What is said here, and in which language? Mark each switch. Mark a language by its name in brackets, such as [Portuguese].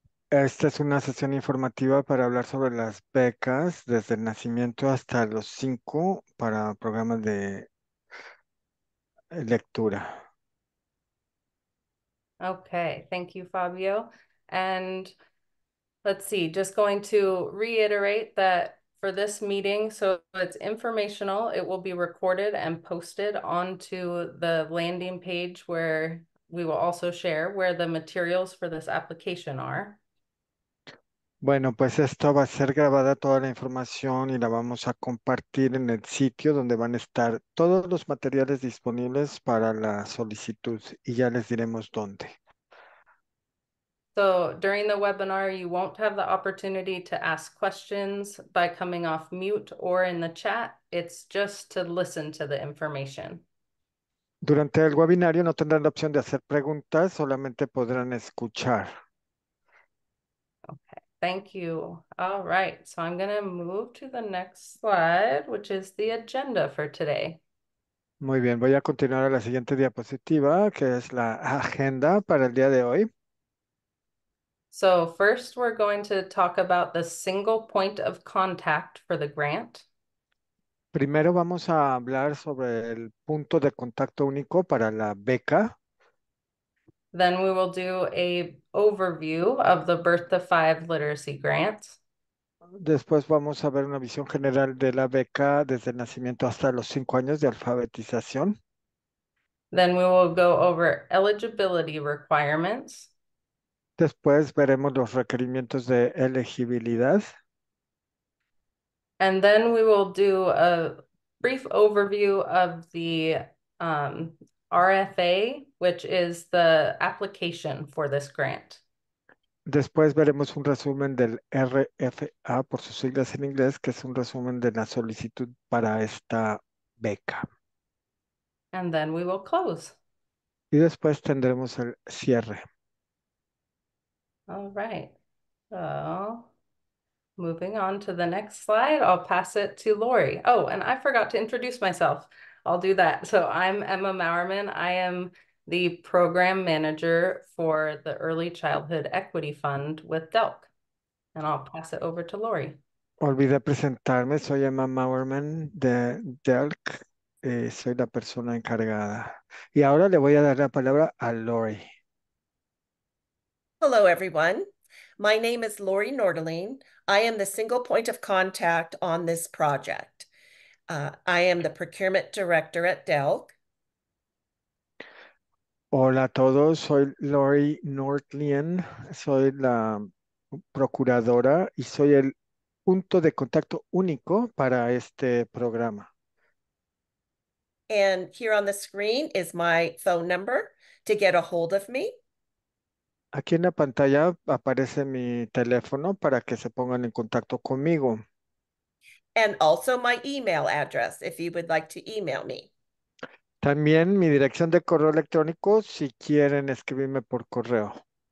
[Spanish] Esta es una sesión informativa para hablar sobre las becas desde el nacimiento hasta los 5 para programas de lectura. [English] Okay, thank you, Fabio. And let's see, just going to reiterate that for this meeting, so it's informational, it will be recorded and posted onto the landing page where we will also share where the materials for this application are. [Spanish] Bueno, pues esto va a ser grabada toda la información y la vamos a compartir en el sitio donde van a estar todos los materiales disponibles para la solicitud y ya les diremos dónde. [English] So during the webinar, you won't have the opportunity to ask questions by coming off mute or in the chat. It's just to listen to the information. [Spanish] Durante el webinario no tendrán la opción de hacer preguntas, solamente podrán escuchar. [English] Thank you. All right, so I'm going to move to the next slide, which is the agenda for today. [Spanish] Muy bien, voy a continuar a la siguiente diapositiva, que es la agenda para el día de hoy. [English] So first, we're going to talk about the single point of contact for the grant. [Spanish] Primero vamos a hablar sobre el punto de contacto único para la beca. [English] Then we will do a overview of the Birth to Five literacy grant. [Spanish] Después vamos a ver una visión general de la beca desde el nacimiento hasta los 5 años de alfabetización. [English] Then we will go over eligibility requirements. [Spanish] Después veremos los requerimientos de elegibilidad. [English] And then we will do a brief overview of the RFA, which is the application for this grant. [Spanish] Después veremos un resumen del RFA, por sus siglas en inglés, que es un resumen de la solicitud para esta beca. [English] And then we will close. [Spanish] Y después tendremos el cierre. [English] All right. So moving on to the next slide, I'll pass it to Lori. Oh, and I forgot to introduce myself. I'll do that. So I'm Emma Mauerman. I am the program manager for the Early Childhood Equity Fund with DELC. And I'll pass it over to Lori. [Spanish] Olvidé presentarme, soy Emma Mauerman de DELC, soy la persona encargada. Y ahora le voy a dar la palabra a Lori. [English] Hello, everyone. My name is Lori Nordling. I am the single point of contact on this project. I am the procurement director at DELC. [Spanish] Hola a todos, soy Lori Nordlien, soy la procuradora y soy el punto de contacto único para este programa. [English] And here on the screen is my phone number to get a hold of me. [Spanish] Aquí en la pantalla aparece mi teléfono para que se pongan en contacto conmigo. [English] And also my email address, if you would like to email me. [Spanish] También mi dirección de correo electrónico, si quieren escribirme por correo.